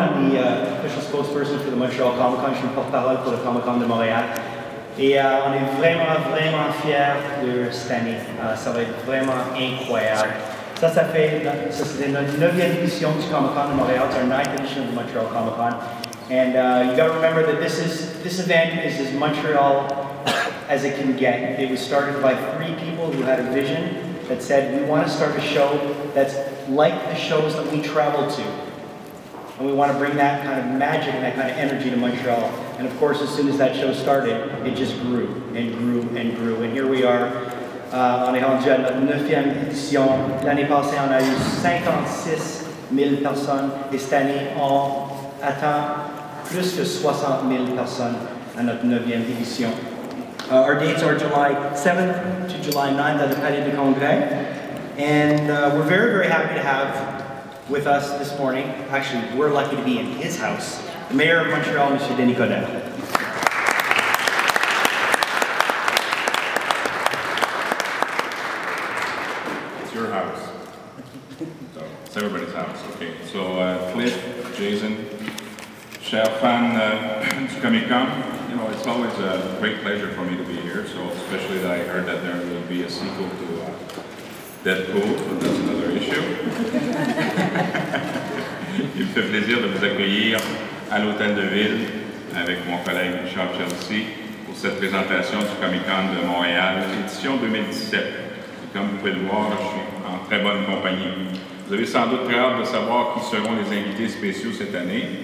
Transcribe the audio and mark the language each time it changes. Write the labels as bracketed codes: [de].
[en] I'm the official spokesperson for the Montreal ComicCon. [fr] Je suis Caporale pour le ComicCon de Montréal. Et on est vraiment, vraiment fiers de cette année. Ça va être vraiment incroyable. Ça c'était notre 9e édition du ComicCon de Montréal. [en] It's our 9th edition of the Montreal ComicCon. And you got to remember that this event is as Montreal as it can get. It was started by three people who had a vision that said, we want to start a show that's like the shows that we travel to. And we want to bring that kind of magic and that kind of energy to Montreal. And of course, as soon as that show started, it just grew and grew and grew. And here we are. [fr] On est rendu à notre 9e édition. L'année passée, on a eu 56 000 personnes. Et cette année, on atteint plus de 60 000 personnes à notre 9e édition. [en] Our dates are July 7th to July 9th at the Palais du Congrès. And we're very, very happy to have with us this morning. Actually, we're lucky to be in his house. The mayor of Montreal, Mr. Denis Coderre. It's your house. So, it's everybody's house, okay. So, Cliff, Jason, [fr] chers fans, [en] ComicCon. You know, it's always a great pleasure for me to be here, so especially that I heard that there will be a sequel to Deadpool, but that's another issue. [fr] Il me fait plaisir de vous accueillir à l'Hôtel de Ville avec mon collègue Charles Chelsea pour cette présentation du ComicCon de Montréal, édition 2017. Et comme vous pouvez le voir, je suis en très bonne compagnie. Vous avez sans doute très hâte de savoir qui seront les invités spéciaux cette année.